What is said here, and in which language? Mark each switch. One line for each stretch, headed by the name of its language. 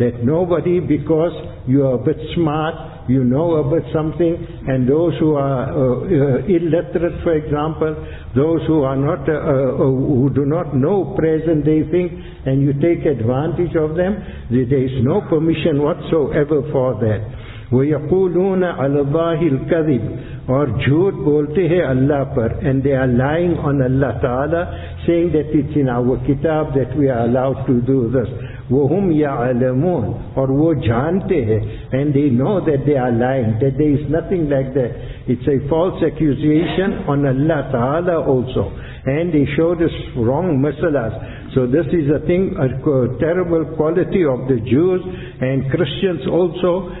English: That nobody, because you are a bit smart, you know about something, and those who are illiterate, for example, those who are not, who do not know present day things, and you take advantage of them, there is no permission whatsoever for that.
Arabic: وَيَقُولُونَ عَلَى اللَّهِ الْكَذِبِ,
Urdu: اور جھوٹ بولتے ہیں اللہ پر.
English: And they are lying on Allah Ta'ala, saying that it's in our kitab that we are allowed to do this.
Arabic: وَهُمْ يَعْلَمُونَ,
Urdu: اور وہ جانتے ہیں.
English: And they know that they are lying, that there is nothing like that. It's a false accusation on Allah Ta'ala also. And they showed us wrong masalas. So this is a thing, a terrible quality of the Jews and Christians also.